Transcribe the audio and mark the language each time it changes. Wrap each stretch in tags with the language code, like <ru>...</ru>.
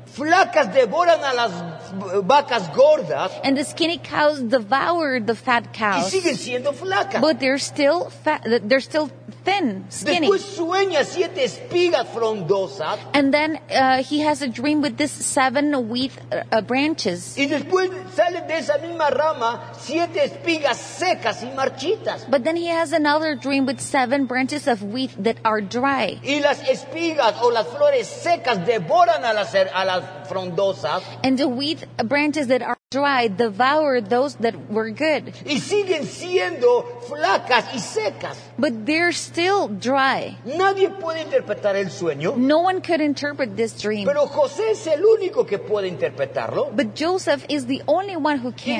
<es>Flacas devoran a las vacas gordas,</es> <en>and the skinny cows devour the fat cows.</en> <es>Y siguen siendo flacas.</es> <en>But they're still fat. They're still thin, skinny.</en> <es>Después sueña siete espigas frondosas,</es> <en>and then he has a dream with these seven wheat branches.</en> <es>Y después sale de esa misma rama siete espigas secas y marchitas.</es> <en>But then he has another dream with seven branches of wheat that are dry.</en> <es>Y las espigas o las flores secas devoran a las frondosas,</es> <en>and the wheat branches that are dry devour those that were good.</en> <es>Y siguen siendo flacas y secas.</es> <en>But they're still dry.</en> <es>Nadie puede interpretar el sueño.</es> <en>No one could interpret this dream.</en> <es>Pero José es el único que puede interpretarlo.</es> <en>But Joseph is the only one who can.</en>